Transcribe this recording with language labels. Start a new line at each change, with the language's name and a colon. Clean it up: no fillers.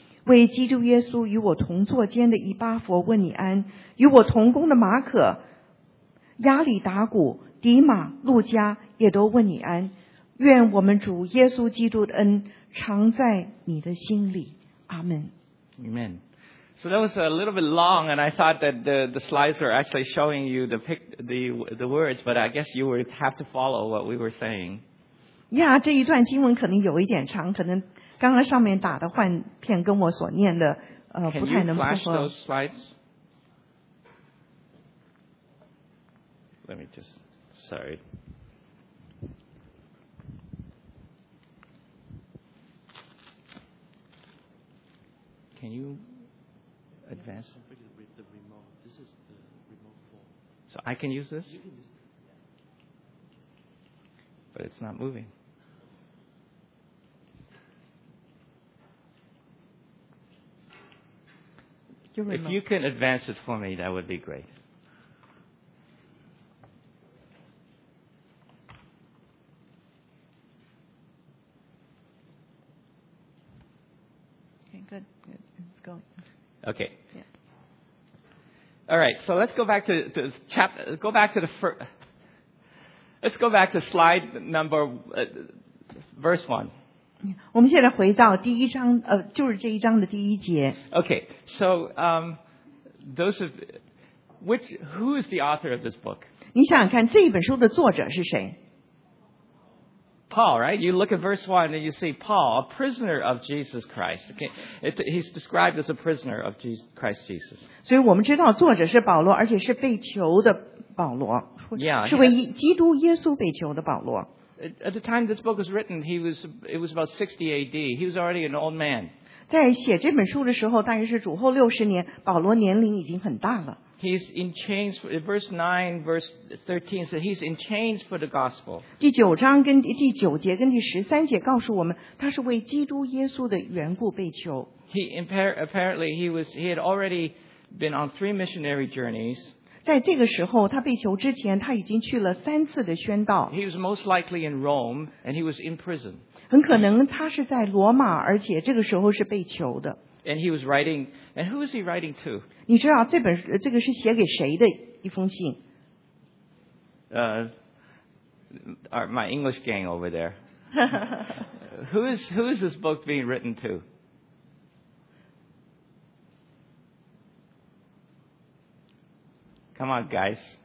Chinese: 为基督耶稣与我同坐监的以巴佛问你安，与我同工的马可、亚里达古、迪马、路加也都问你安。愿我们主耶稣基督的恩常在你的心里。
English: Amen. So that was a little bit long, and I thought that the slides were actually showing you the words, but I guess you would have to follow what we were saying.
Chinese: Yeah, 这一段经文可能有一点长，可能刚刚上面打的换片跟我所念的不太能符合。
English: Can you flash those slides? Let me just, sorry. Can you advance? This is the remote form. So I can use this? But it's not moving. If you can advance it for me, that would be great. Good. It's going. Okay. Yeah. All right. So let's go back to chapter. Go back to the first. Let's go back to slide number verse 1.
Chinese: 我们现在回到第一章, 就是这一章的第一节。
English: Okay. So who is the author of this book?
Chinese: 你想想看这本书的作者是谁?
English: Paul, right? You look at verse 1 and you see Paul, a prisoner of Jesus Christ. Okay? He's described as a prisoner of Christ Jesus.
Chinese: 所以我们知道作者是保罗,而且是被囚的保罗, yeah, 是为基督耶稣被囚的保罗。
English: At the time this book was written, it was about 60 AD. He was already an old man.
Chinese: 在写这本书的时候,大概是主后60年, 保罗年龄已经很大了。
English: He's in chains, verse 9, verse 13 says he's in chains for the gospel.
Chinese: 第九章跟第九节跟第十三节告诉我们, 他是为基督耶稣的缘故被囚。
English: He had already been on 3 missionary journeys.
Chinese: 在这个时候,他被囚之前, 他已经去了3次的宣道。
English: He was most likely in Rome, and he was in prison.
Chinese: 很可能他是在罗马, 而且这个时候是被囚的。
English: And he was writing, and who is he writing to?
Chinese: 你知道这本,这个是写给谁的一封信?
English: My English gang over there. who is this book being written to? Come on, guys.